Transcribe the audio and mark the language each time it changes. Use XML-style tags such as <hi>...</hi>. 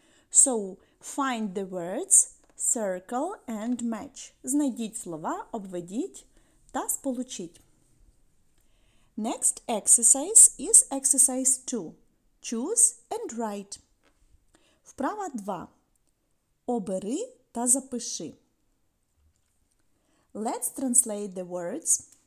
<en>So, find the words, circle and match.</en> <uk>Знайдіть слова, обведіть та сполучіть.</uk> <en>Next exercise is exercise 2. Choose and write.</en> <uk>Вправа 2. Обери та запиши.</uk> <en>Let's translate the words.</en>